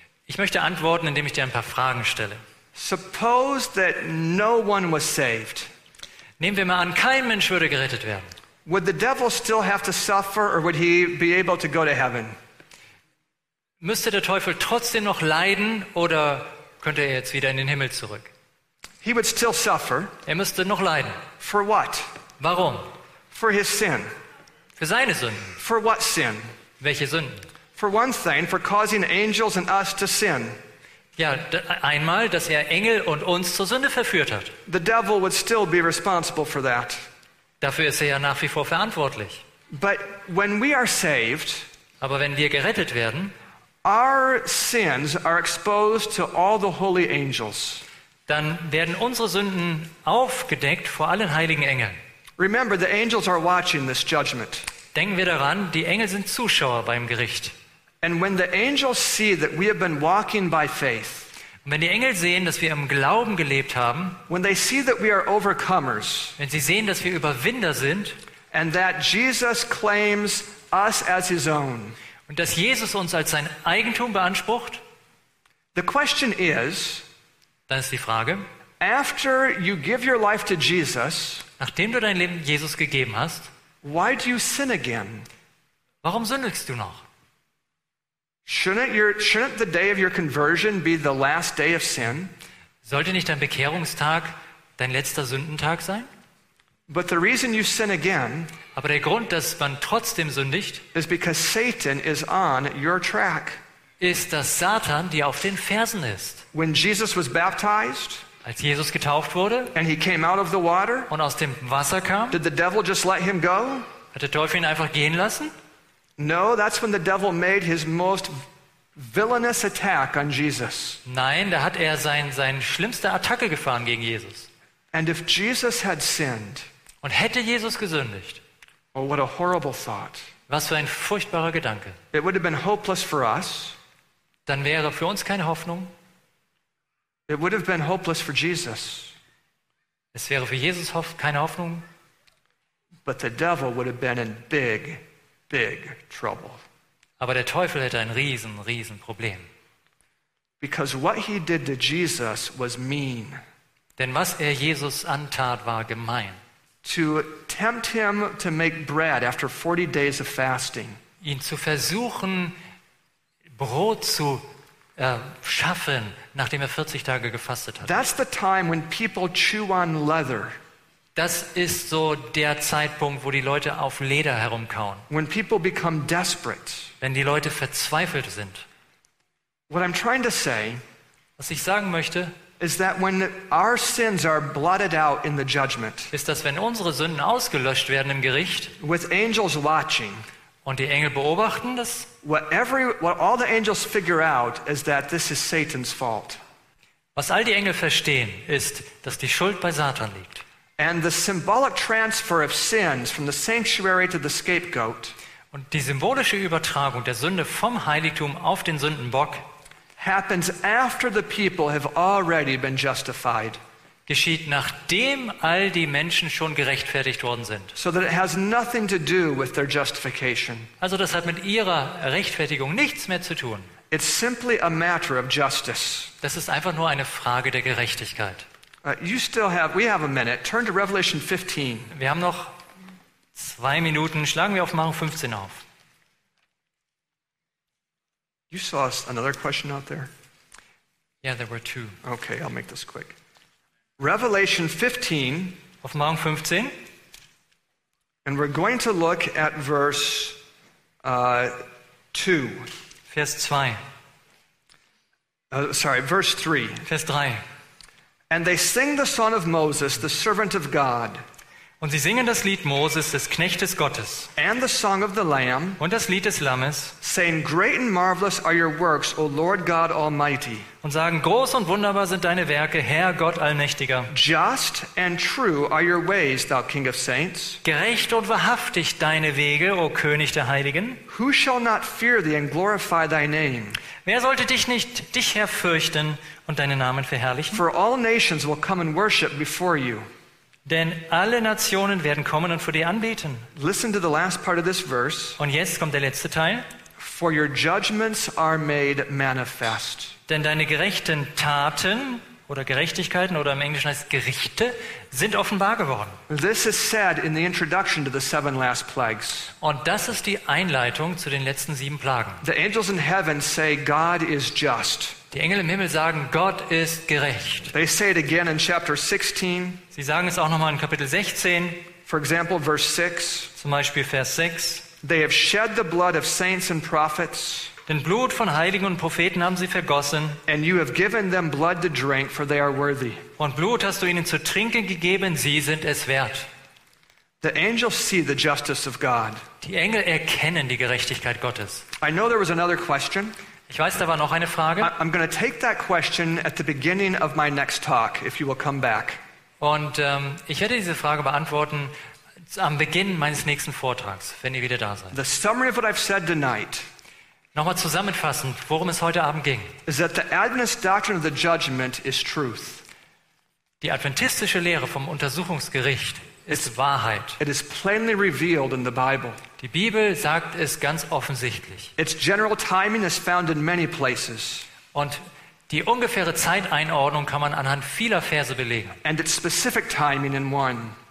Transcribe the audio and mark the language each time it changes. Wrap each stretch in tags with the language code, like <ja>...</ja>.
<de>Ich möchte antworten, indem ich dir ein paar Fragen stelle.</de> <en>Suppose that no one was saved.</en> <de>Nehmen wir mal an, kein Mensch würde gerettet werden.</de> <en>Would the devil still have to suffer, or would he be able to go to heaven?</en> <de>Müsste der Teufel trotzdem noch leiden oder könnte er jetzt wieder in den Himmel zurück?</de> <en>He would still suffer.</en> <de>Er müsste noch leiden.</de> <en>For what?</en> <de>Warum?</de> <en>For his sin.</en> <de>Für seine Sünden.</de> <en>For what sin?</en> <de>Welche Sünden?</de> <en>For one thing, for causing angels and us to sin.</en> <de>Ja, einmal, dass er Engel und uns zur Sünde verführt hat.</de> <en>The devil would still be responsible for that.</en> <de>Dafür ist er ja nach wie vor verantwortlich.</de> <en>But when we are saved,</en> <de>aber wenn wir gerettet werden,</de> <en>our sins are exposed to all the holy angels.</en> <de>Dann werden unsere Sünden aufgedeckt vor allen heiligen Engeln.</de> <en>Remember, the angels are watching this judgment.</en> <de>Denken wir daran, die Engel sind Zuschauer beim Gericht.</de> <en>And when the angels see that we have been walking by faith,</en> <de>wenn die Engel sehen, dass wir im Glauben gelebt haben,</de> <en>when they see that we are overcomers,</en> <de>wenn sie sehen, dass wir Überwinder sind,</de> <en>and that Jesus claims us as his own,</en> <de>und dass Jesus uns als sein Eigentum beansprucht.</de> <en>The question is,</en> <de>dann ist die Frage,</de> <en>after you give your life to Jesus,</en> <de>nachdem du dein Leben Jesus gegeben hast,</de> <en>why do you sin again?</en> <de>Warum sündigst du noch?</de> <en>Shouldn't the day of your conversion be the last day of sin?</en> <de>Sollte nicht dein Bekehrungstag dein letzter Sündentag sein?</de> <en>But the reason you sin again,</en> <de>aber der Grund, dass man trotzdem sündigt,</de> <en>is because Satan is on your track.</en> <de>Ist, dass Satan dir auf den Fersen ist.</de> <en>When Jesus was baptized,</en> <de>Als Jesus getauft wurde,</de> <en>and he came out of the water,</en> <de>und aus dem Wasser kam,</de> <en>did the devil just let him go?</en> <de>Hat der Teufel ihn einfach gehen lassen?</de> <en>No, that's when the devil made his most villainous attack on Jesus.</en> <de>Nein, da hat er sein schlimmste Attacke gefahren gegen Jesus.</de> <en>And if Jesus had sinned,</en> <de>und hätte Jesus gesündigt,</de> <en>oh, what a horrible thought.</en> <de>Was für ein furchtbarer Gedanke.</de> <en>It would have been hopeless for us.</en> <de>Dann wäre für uns keine Hoffnung.</de> <en>It would have been hopeless for Jesus.</en> <de>Es wäre für Jesus keine Hoffnung.</de> <en>But the devil would have been in big, big trouble.</en> <de>Aber der Teufel hätte ein riesen, riesen Problem.</de> <en>Because what he did to Jesus was mean.</en> <de>Denn was er Jesus antat, war gemein.</de> <en>To tempt him to make bread after 40 days of fasting.</en> <de>Ihn zu versuchen, Brot zu schaffen, nachdem er 40 Tage gefastet hat.</de> <en>That's the time when people chew on leather.</en> <de>Das ist so der Zeitpunkt, wo die Leute auf Leder herumkauen.</de> <en>When people become desperate.</en> <de>Wenn die Leute verzweifelt sind.</de> <en>What I'm trying to say,</en> <de>was ich sagen möchte,</de> <en>is that when our sins are blotted out in the judgment,</en> <de>ist, dass wenn unsere Sünden ausgelöscht werden im Gericht,</de> <en>with angels watching,</en> <de>und die Engel beobachten das,</de> <en>what all the angels figure out is that this is Satan's fault.</en> <de>Was all die Engel verstehen, ist, dass die Schuld bei Satan liegt.</de> <en>And the symbolic transfer of sins from the sanctuary to the scapegoat,</en> <de>und die symbolische Übertragung der Sünde vom Heiligtum auf den Sündenbock,</de> <en>happens after the people have already been justified.</en> <de>Geschieht nachdem all die Menschen schon gerechtfertigt worden sind.</de> <en>So that it has nothing to do with their justification.</en> <de>Also das hat mit ihrer Rechtfertigung nichts mehr zu tun.</de> <en>It's simply a matter of justice.</en> <de>Das ist einfach nur eine Frage der Gerechtigkeit.</de> <en>We have a minute. Turn to Revelation 15.</en> <de>Wir haben noch 2 Minuten. Schlagen wir auf Offenbarung 15 auf.</de> <en>You saw another question out there? Yeah, there were 2. Okay, I'll make this quick. Revelation 15.</en> <de>Offenbarung 15.</de> <en>And we're going to look at verse 2.</en> <de>Vers 2.</de> <en>Verse 3.</en> <de>Vers 3.</de> <en>And they sing the song of Moses, the servant of God.</en> <de>Und sie singen das Lied Moses, des Knechtes Gottes.</de> <en>And the song of the Lamb.</en> <de>Und das Lied des Lammes.</de> <en>Saying, great and marvelous are your works, O Lord God Almighty.</en> <de>Und sagen, groß und wunderbar sind deine Werke, Herr Gott Allmächtiger.</de> <en>Just and true are your ways, thou King of Saints.</en> <de>Gerecht und wahrhaftig deine Wege, O König der Heiligen.</de> <en>Who shall not fear thee and glorify thy name?</en> <de>Wer sollte dich nicht herfürchten und deinen Namen verherrlichen?</de> <en>For all nations will come and worship before you.</en> <de>Denn alle Nationen werden kommen und vor dir anbeten.</de> <en>Listen to the last part of this verse.</en> <de>Und jetzt kommt der letzte Teil.</de> <en>For your judgments are made manifest.</en> <de>Denn deine gerechten Taten oder Gerechtigkeiten oder im Englischen heißt Gerichte sind offenbar geworden.</de> <en>This is said in the introduction to the 7 last plagues.</en> <de>Und das ist die Einleitung zu den letzten 7 Plagen.</de> <en>The angels in heaven say God is just.</en> <de>Die Engel im Himmel sagen, Gott ist gerecht.</de> <en>They say it again in chapter 16.</en> <de>Sie sagen es auch nochmal in Kapitel 16.</de> <en>For example, verse 6.</en> <de>Zum Beispiel Vers 6.</de> <en>They have shed the blood of saints and prophets.</en> <de>Denn Blut von Heiligen und Propheten haben sie vergossen.</de> <en>And you have given them blood to drink, for they are worthy.</en> <de>Und Blut hast du ihnen zu trinken gegeben, sie sind es wert.</de> <en>The angels see the justice of God.</en> <de>Die Engel erkennen die Gerechtigkeit Gottes.</de> <en>I know there was another question.</en> <de>Ich weiß, da war noch eine Frage.</de> <en>I'm going to take that question at the beginning of my next talk, if you will come back.</en> <de>Und ich werde diese Frage beantworten am Beginn meines nächsten Vortrags, wenn ihr wieder da seid.</de> <en>The summary of what I've said tonight.</en> <de>Nochmal zusammenfassend, worum es heute Abend ging.</de> <en>Is that the Adventist doctrine of the judgment is truth.</en> <de>Die adventistische Lehre vom Untersuchungsgericht ist Wahrheit.</de> <en>It is plainly revealed in the Bible.</en> <de>Die Bibel sagt es ganz offensichtlich.</de> <en>Its general timing is found in many places.</en> <de>Und die ungefähre Zeiteinordnung kann man anhand vieler Verse belegen.</de> <en>And its specific timing in one.</en>